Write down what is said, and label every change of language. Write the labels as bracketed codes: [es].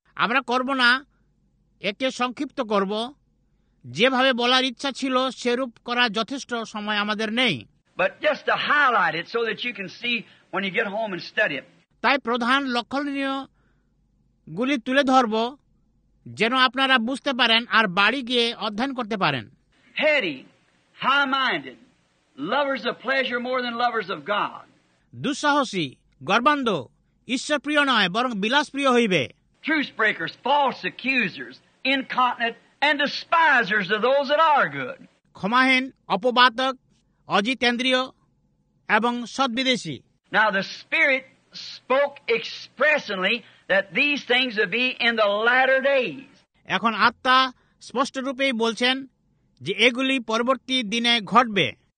[bn] আমরা করব না, একে সংক্ষিপ্ত করব, যেভাবে বলার ইচ্ছা ছিল সেরূপ করা যথেষ্ট সময় আমাদের নেই। [en] But just to highlight it so that you can see when you get home and study it. [bn] তাই প্রধান লক্ষণীয় গুলি তুলে ধরব যেন আপনারা বুঝতে পারেন আর বাড়ি গিয়ে অধ্যয়ন করতে পারেন। [en] Heady, high-minded, lovers of pleasure more than lovers of God. [bn] দুঃসাহসী, গর্বান্ধ, ঈশ্বরপ্রিয় নয় বরং বিলাসপ্রিয় হইবে। [en] Truth breakers, false accusers, incontinent and despisers of those that are good. [bn] ক্ষমাহীন, অপবাদক, অজিতেন্দ্রীয় এবং সদ্বিদেশী। [en] Now the Spirit spoke expressly that these things would be in the latter days. [bn] এখন আত্মা স্পষ্ট রূপেই বলছেন যে এগুলি পরবর্তী দিনে ঘটবে।